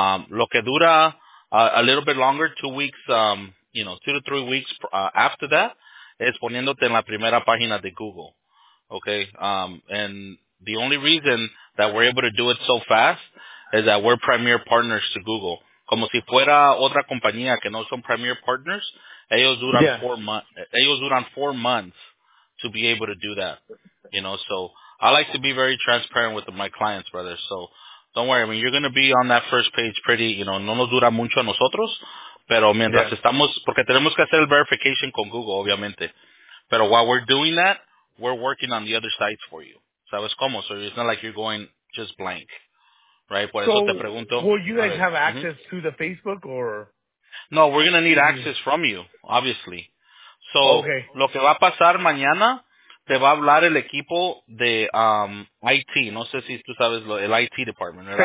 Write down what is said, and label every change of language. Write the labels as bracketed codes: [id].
[es] Lo que dura [en] a little bit longer, 2 weeks, you know, 2 to 3 weeks after that, [es] es poniéndote en la primera página de Google. [en] Okay? And the only reason that we're able to do it so fast is that we're premier partners to Google. [es] Como si fuera otra compañía que no son premier partners, ellos duran [en] four months. To be able to do that, you know, so I like to be very transparent with my clients, brother. So don't worry. I mean, you're going to be on that first page pretty, you know, [es] no nos dura mucho a nosotros, pero mientras estamos, porque tenemos que hacer el verification con Google, obviamente. [en] Pero while we're doing that, we're working on the other sites for you. [es] ¿Sabes cómo? [en] So it's not like you're going just blank, [es] right? Por eso te pregunto. [en] Will you guys have access to the Facebook or? No, we're going to need access from you, obviously. So, okay. [es] Lo que va a pasar mañana, te va a hablar el equipo de IT. No sé si tú sabes el IT department, ¿verdad?